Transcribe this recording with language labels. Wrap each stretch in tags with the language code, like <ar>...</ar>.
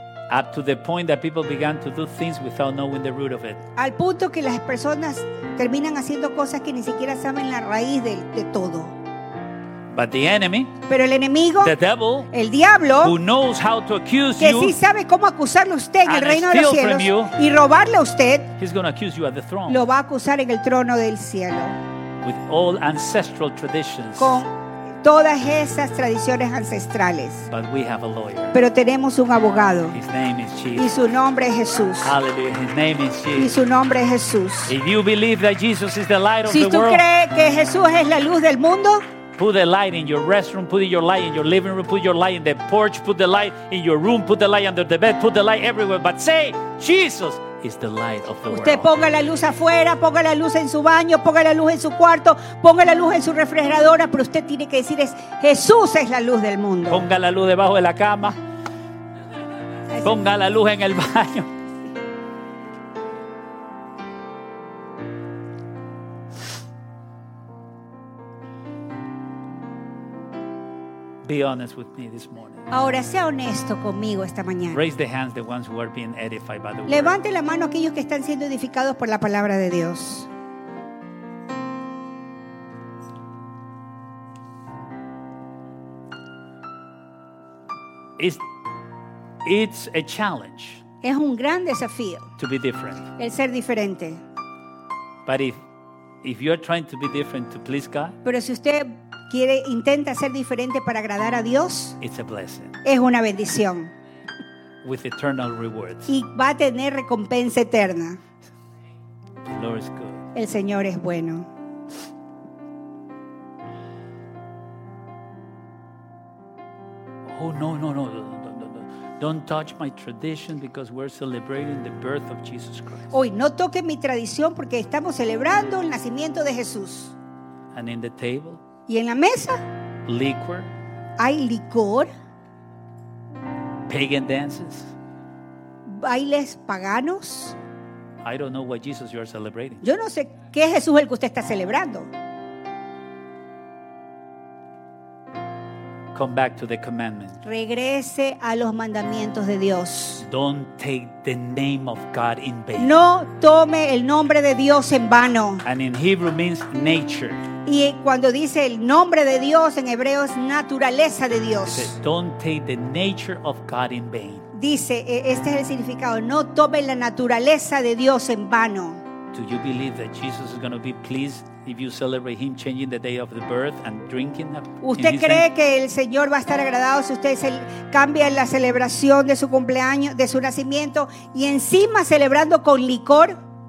<en>Up to the point that people began to do things without knowing the root of it.</en> <es>Al punto que las personas terminan haciendo cosas que ni siquiera saben la raíz de todo.</es> <en>But the enemy,</en> <es>pero el enemigo,</es> <en>the devil,</en> <es>el diablo,</es> <en>who knows how to accuse</en> <es>que</es> <en>you,</en> <es>sí sabe cómo acusarlo a usted en el reino de los cielos</es> <en>you,</en> <es>y robarle a usted,</es> <en>he's gonna accuse you at the throne,</en> <es>lo va a acusar en el trono del cielo.</es> <en>With all ancestral traditions.</en> <es>Con todas esas tradiciones ancestrales.</es> <en>But we have a lawyer.</en> <es>Pero tenemos un abogado.</es> <en>His name is Jesus.</en> <es>Y su nombre es Jesús.</es> <en>Hallelujah. His name is Jesus.</en> <es>Y su nombre es Jesús.</es> <en>If you believe that Jesus is the light of</en> <es>si</es> <en>the world,</en> <es>si tú crees que Jesús es la luz del mundo,</es> <en>put the light in your restroom, put your light in your living room, put your light in the porch, put the light in your room, put the light under the bed, put the light everywhere, but say, Jesus is the light of the world.</en> <es>Usted ponga la luz afuera, ponga la luz en su baño, ponga la luz en su cuarto, ponga la luz en su refrigeradora, pero usted tiene que decir, Jesús es la luz del mundo. Ponga la luz debajo de la cama, ponga la luz en el baño.</es> <en>Be honest with me this morning.</en> <es>Ahora sea honesto conmigo esta mañana.</es> <en>Raise the hands the ones who are being edified by the word.</en> <es>Levante la mano aquellos que están siendo edificados por la palabra de Dios.</es> <en>It's a challenge.</en> <es>Es un gran desafío.</es> <en>To be different.</en> <es>El ser diferente.</es> <en>But if you are trying to be different to please God.</en> <es>Pero si usted intenta ser diferente para agradar a Dios,</es> <en>it's a blessing.</en> <es>Es una bendición.</es> <en>With eternal rewards.</en> <es>Y va a tener recompensa eterna.</es> <en>The Lord is good.</en> <es>El Señor es bueno.</es> <en>Oh, no. Don't touch my tradition because we're celebrating the birth of Jesus Christ.</en> <es>Hoy no toque mi tradición porque estamos celebrando el nacimiento de Jesús.</es> <en>And in the table.</en> <es>Y en la mesa</es> <en>liquor,</en> <es>hay licor,</es> <en>pagan dances,</en> <es>bailes paganos.</es> <en>I don't know what Jesus you are celebrating.</en> <es>Yo no sé qué es Jesús el que usted está celebrando.</es> <en>Come back to the commandment.</en> <es>Regrese a los mandamientos de Dios.</es> <en>Don't take the name of God in vain.</en> <es>No tome el nombre de Dios en vano.</es> <en>And in Hebrew means nature.</en> <es>Y cuando dice el nombre de Dios en hebreo es naturaleza de Dios.</es> <en>Says, don't take the nature of God in vain.</en> <es>Dice, este es el significado, no tome la naturaleza de Dios en vano.</es> <en>Do you believe that Jesus is going to be pleased if you celebrate him changing the day of the birth and drinking that?</en> <es>¿Usted cree que el Señor va a estar agradado si usted cambia la celebración de su cumpleaños, de su nacimiento y encima celebrando con licor?</es>